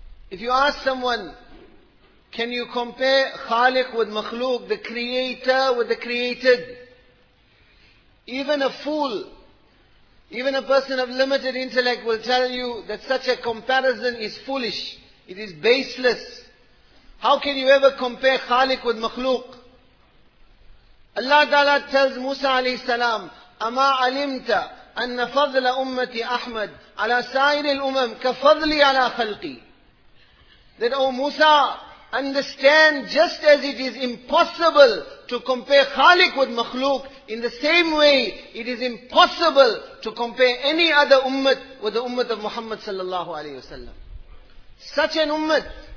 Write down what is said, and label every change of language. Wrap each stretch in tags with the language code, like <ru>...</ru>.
<en>If you ask someone, can you compare Khaliq with Makhluq, the creator with the created? Even a fool, even a person of limited intellect will tell you that such a comparison is foolish. It is baseless. How can you ever compare Khaliq with Makhluq? Allah Ta'ala tells Musa alayhi salam,</en> <ar>أَمَا عَلِمْتَ أَنَّ فَضْلَ أُمَّتِ أَحْمَدْ عَلَى سَائِرِ الْأُمَمِ كَفَضْلِي عَلَى خَلْقِي.</ar> <en>That, O Musa, understand just as it is impossible to compare Khaliq with Makhluq, in the same way it is impossible to compare any other ummah with the ummah of Muhammad sallallahu alayhi wa sallam. Such an ummah.</en>